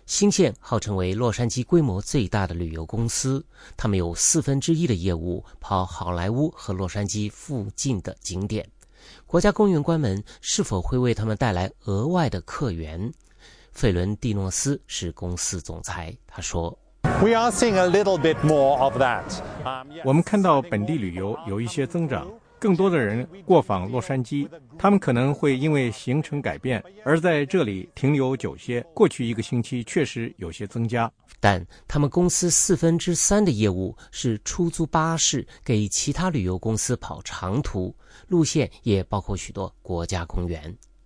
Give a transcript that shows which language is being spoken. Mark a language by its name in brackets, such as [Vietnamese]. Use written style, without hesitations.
[Chinese] 新线号称为洛杉矶规模最大的旅游公司，他们有四分之一的业务跑好莱坞和洛杉矶附近的景点。国家公园关门是否会为他们带来额外的客源？费伦蒂诺斯是公司总裁，他说 [English] We are seeing a little bit more of that. [Chinese] 我们看到本地旅游有一些增长，更多的人过访洛杉矶，他们可能会因为行程改变而在这里停留久些，过去一个星期确实有些增加。但他们公司四分之三的业务是出租巴士给其他旅游公司跑长途，路线也包括许多国家公园。